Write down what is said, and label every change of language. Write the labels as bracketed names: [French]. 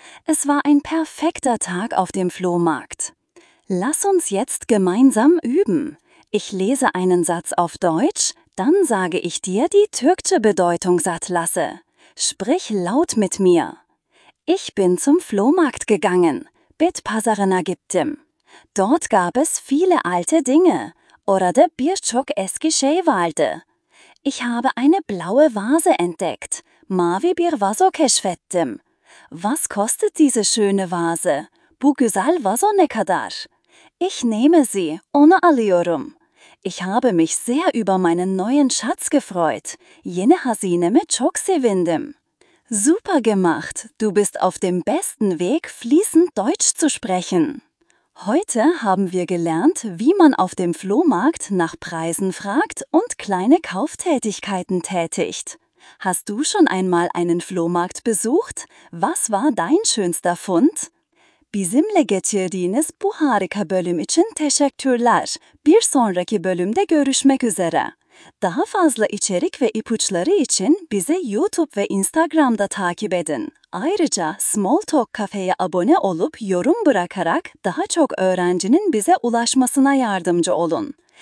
[German] Es war ein perfekter Tag auf dem Flohmarkt. Lass uns jetzt gemeinsam üben. Ich lese einen Satz auf Deutsch, dann sage ich dir die türkische Bedeutung satt lasse. Sprich laut mit mir. Ich bin zum Flohmarkt gegangen. [Turkish] Bitpazarına gittim. [German] Dort gab es viele alte Dinge. [Turkish] Orada birçok eski şey vardı. [German] Ich habe eine blaue Vase entdeckt. [Turkish] Mavi bir vazo keşfettim. [German] Was kostet diese schöne Vase? [Turkish] Bu güzel vazo ne kadar? [German] Ich nehme sie, [Turkish] onu alıyorum. [German] Ich habe mich sehr über meinen neuen Schatz gefreut. [Turkish] Yeni hazinemi çok sevindim. [German] Super gemacht! Du bist auf dem besten Weg, fließend Deutsch zu sprechen. Heute haben wir gelernt, wie man auf dem Flohmarkt nach Preisen fragt und kleine Kauftätigkeiten tätigt. Hast du schon einmal einen Flohmarkt besucht? Was war dein schönster Fund? [Turkish] Bizim getirdiğiniz bu harika bölüm için teşekkürler. Bir sonraki bölümde görüşmek üzere. Daha fazla içerik ve ipuçları için bizi YouTube ve Instagram'da takip edin. Ayrıca Small Talk Cafe'ye abone olup yorum bırakarak daha çok öğrencinin bize ulaşmasına yardımcı olun.